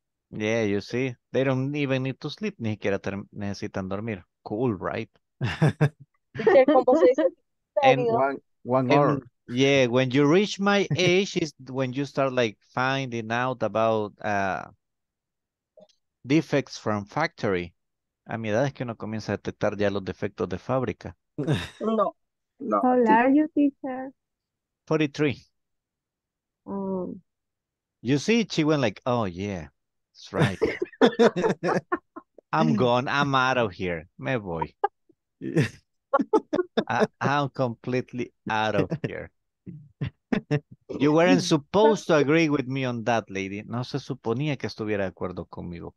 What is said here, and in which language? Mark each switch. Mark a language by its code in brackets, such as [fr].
[en] Yeah, you see. They don't even need to sleep. [es] Ni siquiera necesitan dormir. [en] Cool, right? [es] ¿Cómo se dice? [en] And one hour. Yeah, when you reach my age is when you start like finding out about defects from factory. [es] A mi edad es que uno comienza a detectar ya los defectos de fábrica. No. [en] How old are you, teacher? 43. You see, she went like, oh yeah, that's right. I'm gone. I'm out of here. [es] Me voy. [en] I'm completely out of here. You weren't supposed to agree with me on that, lady. [es] No se suponía que estuviera de acuerdo conmigo.